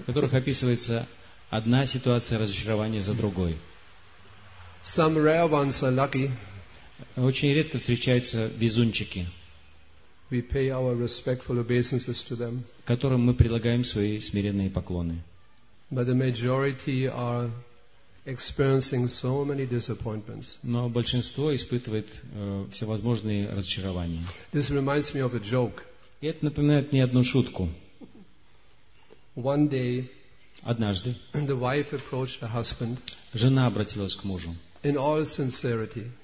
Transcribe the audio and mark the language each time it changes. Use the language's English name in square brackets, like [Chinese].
[Russian] В которых описывается одна ситуация разочарования за другой. [English] Some rare ones are lucky. [Russian] Очень редко встречаются везунчики. [English] We pay our respectful obeisances to them. [Russian] Которым мы предлагаем свои смиренные поклоны. [English] But the majority are experiencing so many disappointments. [Russian] Но большинство испытывает всевозможные разочарования. [English] This reminds me of a joke. [Russian] И это напоминает мне одну шутку. [English] One day, [Russian] однажды, [English] the wife approached her husband. [Russian] Жена обратилась к мужу. [English] In all sincerity.